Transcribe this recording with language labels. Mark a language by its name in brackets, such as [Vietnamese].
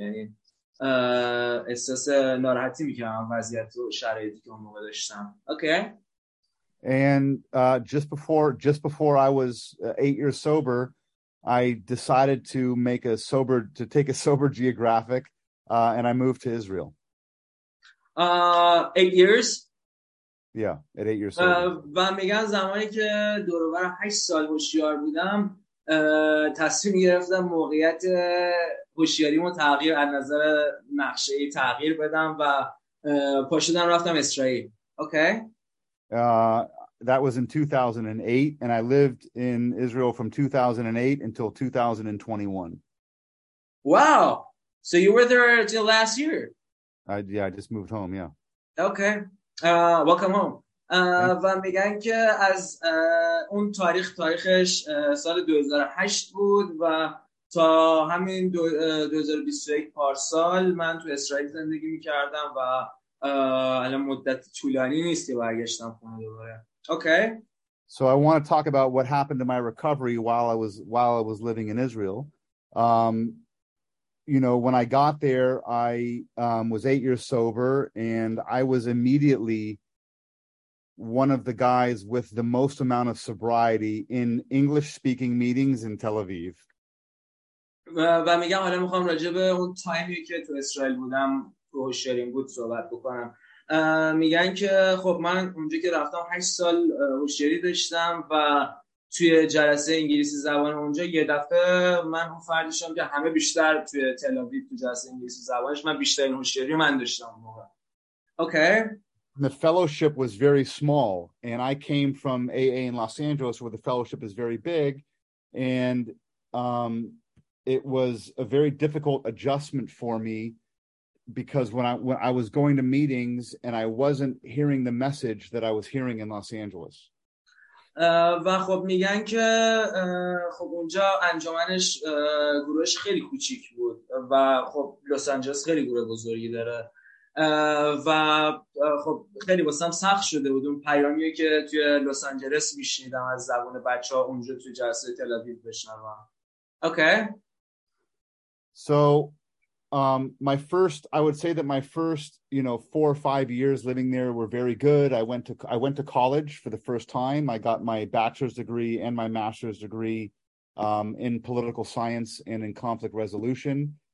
[Persian] یعنی احساس ناراحتی میکردم وضعیت و شرایطی که اون موقع داشتم. [English] Okay. And just before I was 8 years sober, I decided to take a sober geographic, and I moved to Israel. 8 years? Yeah, at 8 years sober. [Persian] و میگن زمانی که دور و بر 8 سال هوشیار بودم تصمیم گرفتم موقعیت هوشیاریمو تغییر از نظر نقشه تغییر بدم و پاشدم رفتم اسرائیل. [English] Okay. That was in 2008, and I lived in Israel from 2008 until 2021. Wow. So you were there until last year? Yeah, I just moved home, yeah. Okay. Welcome home. [Persian] و میگن که از اون تاریخ تاریخش سال 2008 بود و تا همین 2021 پارسال من تو اسرائیل زندگی میکردم و الان مدت طولانی نیست که برگشتم خونه دوباره. [English] Okay. So I want to talk about what happened to my recovery while I was living in Israel. You know, when I got there, I was 8 years sober, and I was immediately one of the guys with the most amount of sobriety in English-speaking meetings in Tel Aviv. [Persian] و میگم حالا میخوام راجع به اون تایمی که تو اسرائیل بودم تو هوشیاریم بود صحبت بکنم. میگن که خب من اونجا که رفتم 8 سال هوشیاری داشتم و توی جلسه انگلیسی زبان اونجا یه دفعه من اون فردی شدم که همه بیشتر توی تل آویو توی جلسه انگلیسی زبانش من بیشتر هوشیاری من داشتم. [English] Okay. The fellowship was very small, and I came from AA in Los Angeles, where the fellowship is very big, and it was a very difficult adjustment for me, because when I was going to meetings and I wasn't hearing the message that I was hearing in Los Angeles. [Persian] و خب میگن که خب اونجا انجمنش گروهش خیلی کوچیک بود و خب لس آنجلس خیلی گروه بزرگی داره و خب خیلی واسم سخت شده بود اون پیامیه که توی لس آنجلس میشنیدم از زبان بچه‌ها اونجا توی جلسه تل آویو بشنوم. [English] Okay. So my first, I would say that my first, you know, 4 or 5 years living there were very good. I went to college for the first time. I got my bachelor's degree and my master's degree in political science and in conflict resolution.